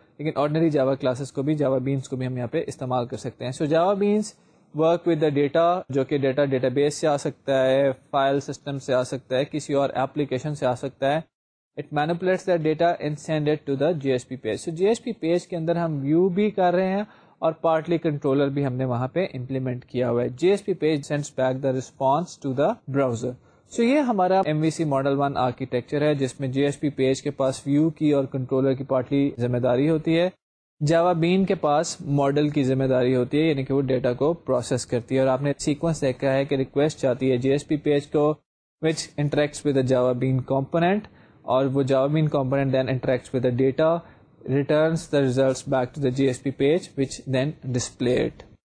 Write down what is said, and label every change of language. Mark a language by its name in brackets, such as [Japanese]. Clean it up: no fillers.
[Urdu] لیکن آرڈنری جاوا کلاسز کو بھی, جاوا بینز کو بھی ہم یہاں پہ استعمال کر سکتے ہیں. [English] so Java beans work with the data [Urdu] جو کہ ڈیٹا ڈیٹا بیس سے آ سکتا ہے, فائل سسٹم سے آ سکتا ہے, کسی اور ایپلیکیشن سے آ سکتا ہے. [English] It manipulates the data and send it to the J S P page. [Urdu] So جی S P page کے اندر ہم ویو بھی کر رہے ہیں اور پارٹلی کنٹرولر بھی ہم نے وہاں پہ امپلیمنٹ کیا ہوا ہے. [English] J S P page sends back the response to the browser. [Urdu] سو یہ ہمارا ایم وی سی ماڈل ون آرکیٹیکچر ہے جس میں جی ایس پی پیج کے پاس ویو کی اور کنٹرولر کی پارٹلی ذمہ داری ہوتی ہے. جاوا بین کے پاس ماڈل کی ذمہ داری ہوتی ہے، یعنی کہ وہ ڈیٹا کو پروسیس کرتی ہے، اور آپ نے سیکوینس دیکھا ہے کہ ریکویسٹ جاتی ہے جی ایس پی پیج کو [English] Which interacts with the Java bean component, اور وہ Java bean component then interacts with the data returns the results back to the J S P page which then display it.